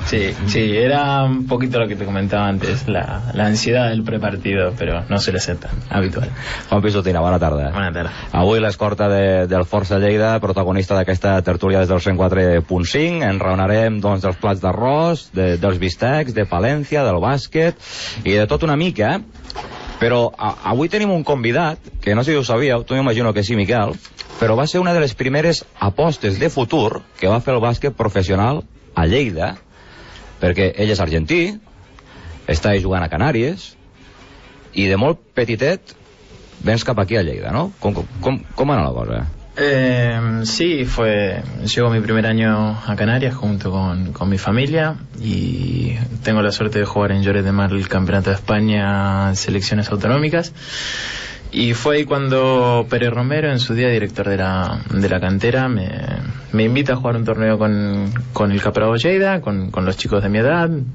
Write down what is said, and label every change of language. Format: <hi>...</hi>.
<es>Sí, sí, era un poquito lo que te comentaba antes, la ansiedad del prepartido, pero no se le acepta, habitual. Juan Pisotina, buena tarde. Buena tarde.</es> <ca>Avui l'escorta del Força Lleida, protagonista d'aquesta tertúlia des del 104.5, enraonarem doncs dels plats d'arròs, dels bistecs, de Palència, del bàsquet i de tot una mica, però avui tenim un convidat, que no sé si ho sabíeu, tu m'imagino que sí, Miquel, però va ser una de les primeres apostes de futur que va fer el bàsquet professional a Lleida, perquè ell és argentí, està jugant a Canàries, i de molt petitet vens cap aquí a Lleida, no? Com anava la cosa?</ca> <es>Sí, llegó mi primer año a Canarias junto con mi familia y tengo la suerte de jugar en Lloret de Mar el Campeonato de España en selecciones autonómicas. Y fue ahí cuando Pérez Romero, en su día director de la cantera, me invita a jugar un torneo con el Caprabo Lleida, con los chicos de mi edad.</es>